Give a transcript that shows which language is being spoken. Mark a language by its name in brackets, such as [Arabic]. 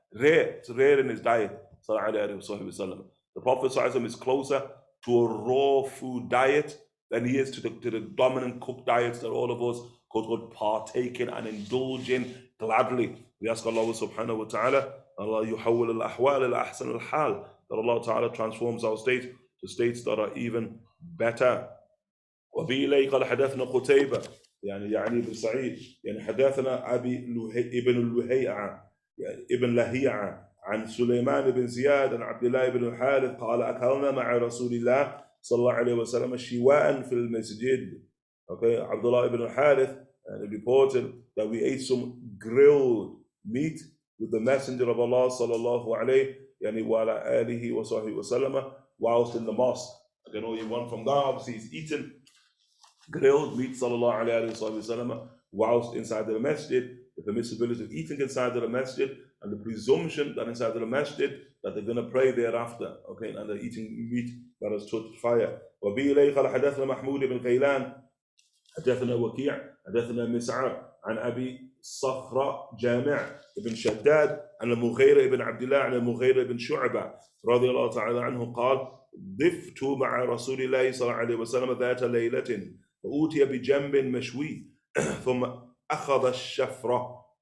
[English] Rare, it's rare in his diet, sallallahu alayhi wa sahbihi wa sallam. The Prophet sallallahu alayhi wa sallam is closer to a raw food diet than he is to the dominant cooked diets that all of us could partake in and indulge in gladly. We ask Allah subhanahu wa ta'ala, [Arabic] Allah yuhawwil al-ahwal al-ahsan al-hal, [English] that Allah Ta'ala transforms our state to states that are even better. [Arabic] وفي إليه قال حدثنا قتيبة يعني ابن سعيد يعني حدثنا أبي ابن اللهيعة ابن لهيعة عن سليمان بن زياد عن عبد الله بن الحارث قال أكلنا مع رسول الله صلى الله عليه وسلم شواء في المسجد. [English] Okay, عبد الله بن الحارث reported that we ate some grilled meat with the Messenger of Allah صلى الله عليه يعني وعلى آله وصحبه وسلم whilst in the mosque. Again, all you want from that, obviously, he's eaten grilled meat sallallahu alayhi wa sallam whilst inside the masjid, the permissibility of eating inside the masjid, and the presumption that inside the masjid that they're going to pray thereafter, okay, and they're eating meat that has touched fire. [Arabic] وبي إليه قال حدثنا محمود بن قيلان حدثنا وكيع حدثنا مسعر عن أبي صخرة جامع ابن شداد عن المغيرة ابن عبد الله عن المغيرة ابن شعبة رضي الله تعالى عنه قال ضفت مع رسول الله صلى الله عليه وسلم ذات ليلة فأوتي بجنب مشوي ثم أخذ الشفرة